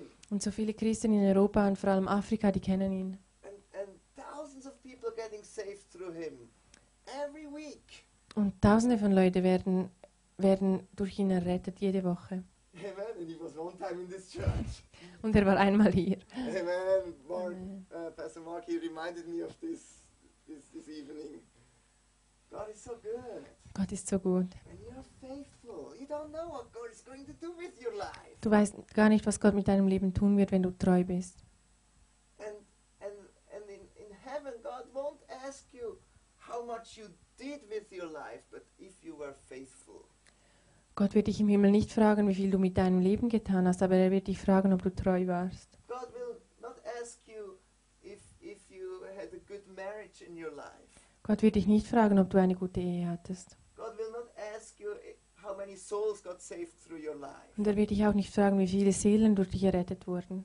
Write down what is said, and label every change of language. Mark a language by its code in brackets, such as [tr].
[de] Und so viele Christen in Europa und vor allem Afrika, die kennen ihn. Und tausende von Menschen werden saved durch ihn. [en] Every week. [de] Und tausende von Leuten werden durch ihn errettet, jede Woche. Amen. [en] And he was one time in this church. [de] Und er war einmal hier. Amen. [en] Pastor Mark, he reminded me of this evening. God is so good. [de] Gott ist so gut. [en] And you are faithful. You don't know what God is going to do with your life. [de] Du weißt gar nicht, was Gott mit deinem Leben tun wird, wenn du treu bist. [en] And in heaven, God won't ask you how much you did with your life, but if you were faithful. [de] Gott wird dich im Himmel nicht fragen, wie viel du mit deinem Leben getan hast, aber er wird dich fragen, ob du treu warst. [en] God will not ask you if you had a good marriage in your life. [de] Gott wird dich nicht fragen, ob du eine gute Ehe hattest. [en] God will not ask you how many souls God saved through your life. [de] Und er wird dich auch nicht fragen, wie viele Seelen durch dich errettet wurden.